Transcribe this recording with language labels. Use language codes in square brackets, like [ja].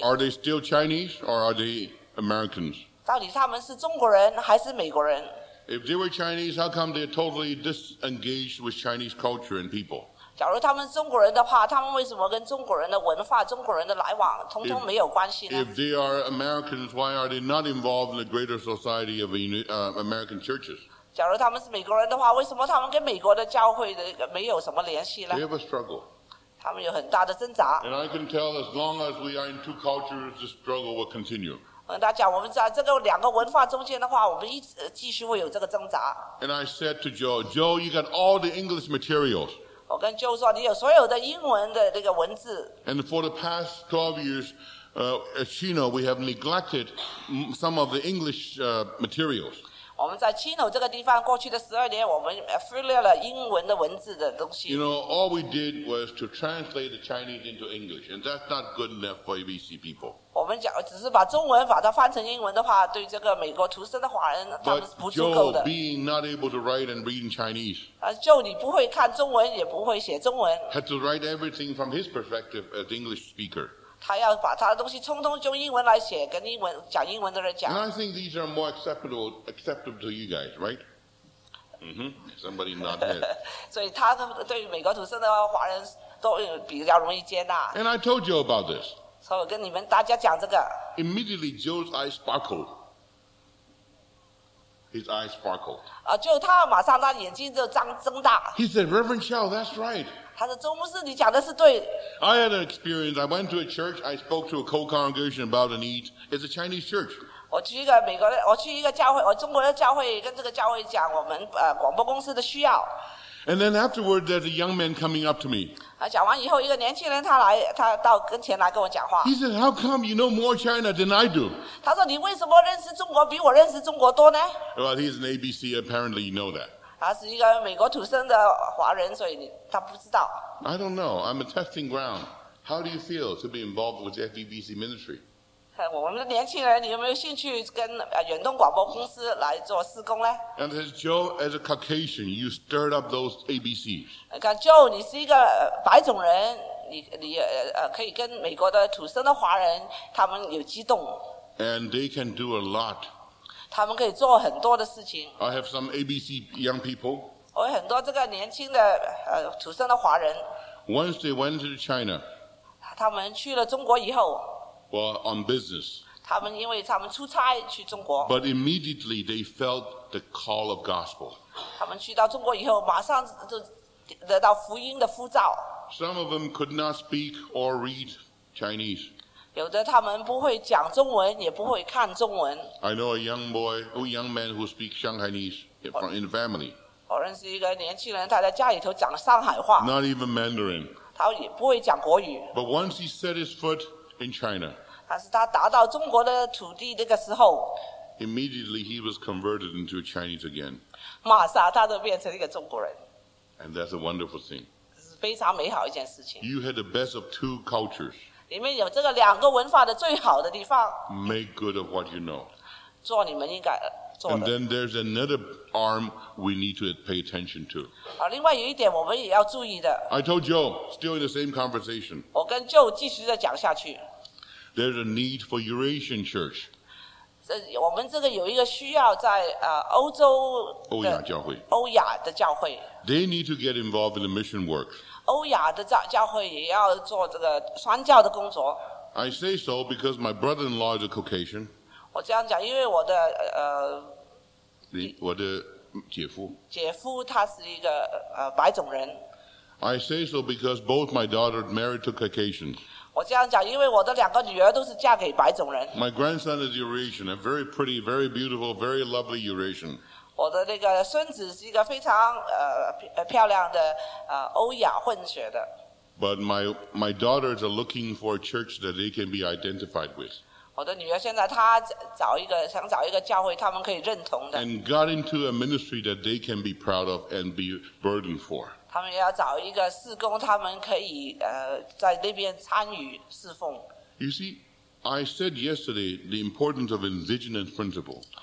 [en] Are they still Chinese or are they Americans? [zh] 到底他们是中国人还是美国人 [en] ？If they were Chinese, how come they're totally disengaged with Chinese culture and people? [zh] 假如他们中国人的话，他们为什么跟中国人的文化、中国人的来往，通通没有关系呢 [en] ？If they are Americans, why are they not involved in the greater society of American churches? [zh] 假如他们是美国人的话，为什么他们跟美国的教会的没有什么联系呢 [en] ？They have a struggle. [zh] 他们有很大的挣扎。 [en] And I can tell, as long as we are in two cultures, the struggle will continue. [zh] 跟大家讲，我们在这个两个文化中间的话，我们一直继续会有这个挣扎。 [en] And I said to Joe, Joe, you got all the English materials. [zh] 我跟 Joe 说，你有所有的英文的那个文字。 [en] And for the past 12 years, at Chino, we have neglected some of the English materials. [zh] 我们在 Chino 这个地方过去的十二年，我们忽略了英文的文字的东西。 [en] You know, all we did was to translate the Chinese into English, and that's not good enough for ABC people. [zh] 我们讲只是把中文把它翻成英文的话，对这个美国土生的华人他们是不足够的。 [en] But Joe being not able to write and read in Chinese. [zh] Joe 你不会看中文，也不会写中文。 [en] Had to write everything from his perspective as English speaker. [zh] 他要把他的东西通通用英文来写，跟英文讲英文的人讲。 [en] And I think these are more acceptable to you guys, right? Somebody nod head. [zh] 所以他对美国土生的华人都比较容易接纳。 [en] And I told you about this. [zh] 所以我跟你们大家讲这个。 [en] Immediately, Joe's eyes sparkled. His eyes sparkled. [zh] 就他马上他眼睛就睁大。 [en] He said, Reverend Chow, that's right. [zh] 他说：“周牧师，你讲的是对的。” [en] I had an experience. I went to a church. I spoke to a co-congregation about a need. It's a Chinese church. [zh] 我去一个美国的，我去一个教会，我中国的教会跟这个教会讲我们广播公司的需要。 [en] And then afterward, there's a young man coming up to me. [zh] 讲完以后，一个年轻人他到跟前来跟我讲话。 [en] He said, "How come you know more China than I do?" [zh] 他说：“你为什么认识中国比我认识中国多呢？” [en] Well, he's an ABC. Apparently, you know that. [zh] 他是一个美国土生的华人，所以他不知道。 [en] I don't know. I'm a testing ground. How do you feel to be involved with FEBC ministry? [zh] 我们的年轻人，你有没有兴趣跟远东广播公司来做事工呢 [en] ？And as Joe, as a Caucasian, you stirred up those ABCs. [zh] 看 Joe, 你是一个白种人，可以跟美国的土生的华人他们有激动。 [en] And they can do a lot. [zh] 他们可以做很多的事情。 [en] I have some ABC young people. [zh] 我有很多这个年轻的土生的华人。 [en] Once they went to China. [zh] 他们去了中国以后。 [en] Well, on business. [zh] 他们因为他们出差去中国。 [en] But immediately they felt the call of gospel. [zh] 他们去到中国以后马上就得到福音的呼召。 [en] Some of them could not speak or read Chinese. [zh] 有的他们不会讲中文，也不会看中文。 [en] I know a young boy, a young man who speaks Shanghainese in the family. [zh] 我认识一个年轻人，他在家里头讲上海话。 [en] Not even Mandarin. [zh] 他也不会讲国语。 [en] But once he set his foot in China, [zh] 但是他达到中国的土地那个时候， [en] immediately he was converted into a Chinese again. [zh] 马上他就变成一个中国人。 [en] And that's a wonderful thing. [zh] 非常美好一件事情。 [en] You had the best of two cultures. [zh] 你们有这个两个文化的最好的地方。 [en] Make good of what you know. [zh] 做你们应该做的。 [en] And then there's another arm we need to pay attention to. [zh] 好，另外有一点我们也要注意的。 [en] I told Joe, still in the same conversation. [zh] 我跟 Joe 继续地讲下去。 [en] There's a need for Eurasian church. [zh] 这我们这个有一个需要在欧洲欧亚教会。欧亚的教会。 [en] They need to get involved in the mission work. [zh] 欧亚的教会也要做这个传教的工作。 [en] I say so because my brother-in-law is a Caucasian. [zh] 我这样讲，因为我的我的姐夫。姐夫他是一个白种人。 [en] I say so because both my daughters married to Caucasians. [zh] 我这样讲，因为我的两个女儿都是嫁给白种人。 [en] My grandson is Eurasian, a very pretty, very beautiful, very lovely Eurasian. [zh] 我的那个孙子是一个非常漂亮的欧亚混血的。 [en] But my daughters are looking for a church that they can be identified with. [zh] 我的女儿现在她想找一个教会，他们可以认同的。 [en] And got into a ministry that they can be proud of and be burdened for. [zh] 他们要找一个事工，他们可以在那边参与侍奉。 [en] You see, I said yesterday the importance of indigenous principle.